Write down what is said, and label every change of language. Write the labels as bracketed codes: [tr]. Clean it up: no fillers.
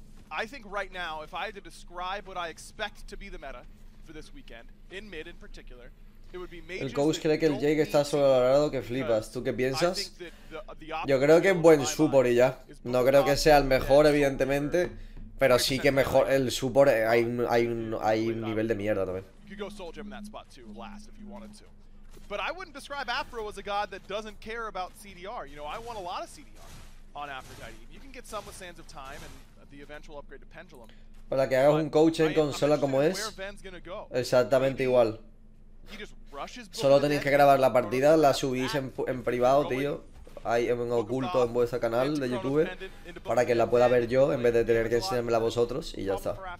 [en] I think right now, if I had to describe what I expect to be the meta for this weekend, in mid in particular, it would be mages. [es] El coach cree que el Jake está sobrevalorado, que flipas. ¿Tú qué piensas? Yo creo que es buen support y ya. No creo que sea el mejor, evidentemente, pero sí que mejor el support. Hay un nivel de mierda también. [en] You could go Soul Gem in that spot too, last, if you wanted to. But I wouldn't describe Afro as a god that doesn't care about CDR. You know, I want a lot of CDR on Aphrodite. You can get some with Sands of Time and the eventual upgrade to Pendulum. [es] Para que hagas un coach en consola como es, exactamente igual. Solo tenéis que grabar la partida, la subís en privado, tío. Hay en oculto en vuestro canal de YouTube para que la pueda ver yo en vez de tener que enseñármela a vosotros y ya está.